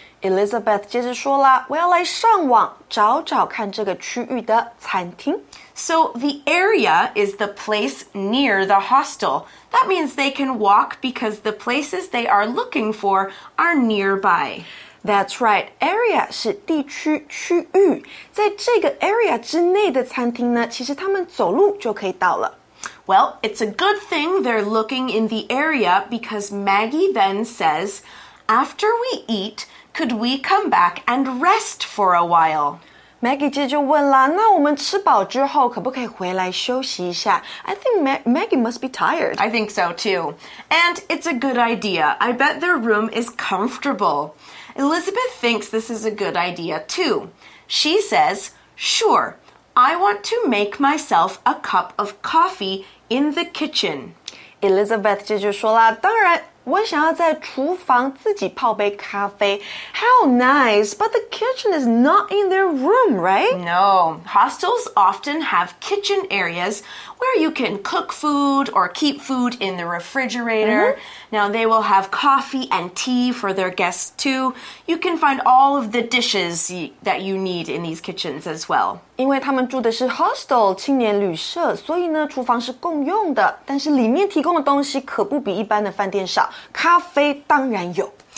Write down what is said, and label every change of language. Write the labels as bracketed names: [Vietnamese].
[Chinese] Elizabeth 接着说了，我要来上网找找看这个区域的餐厅。 [English] So the area is the place near the hostel. That means they can walk because the places they are looking for are nearby. That's right, area [Chinese] 是地区区域。在这个 area 之内的餐厅呢，其实他们走路就可以到了。 [English] Well, it's a good thing they're looking in the area because Maggie then says, after we eat, could we come back and rest for a while? [Chinese] Maggie 接着问了，那我们吃饱之后可不可以回来休息一下？ [English] I think Maggie must be tired. I think so too. And it's a good idea. I bet their room is comfortable. Elizabeth thinks this is a good idea, too. She says, Sure, I want to make myself a cup of coffee in the kitchen. [Chinese] Elizabeth 接着说了，当然，我想要在厨房自己泡杯咖啡。 [English] How nice, but the kitchen is not in their room, right? No, hostels often have kitchen areas where you can cook food or keep food in the refrigerator. Mm-hmm. Now they will have coffee and tea for their guests too. You can find all of the dishes that you need in these kitchens as well. [Chinese] 因为他们住的是 hostel 青年旅社，所以呢，厨房是共用的。但是里面提供的东西可不比一般的饭店少，咖啡当然有。